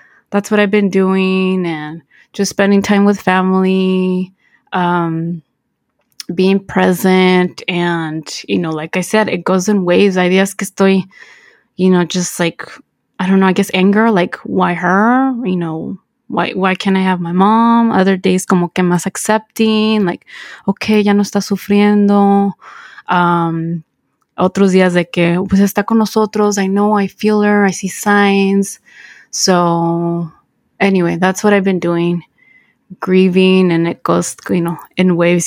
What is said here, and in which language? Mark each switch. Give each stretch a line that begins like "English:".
English: That's what I've been doing, and just spending time with family, being present, and, you know, like I said, it goes in waves.
Spanish: Hay días que estoy,
English: you know, just like, I don't know, I guess anger, like, why her? You know, why can't I have my mom? Other days,
Spanish: como que más
English: accepting, like, okay,
Spanish: ya no está sufriendo. Otros días de que, pues está con nosotros,
English: I know, I feel her, I see signs. So, anyway, that's what I've been doing, grieving, and it goes, you know, in waves.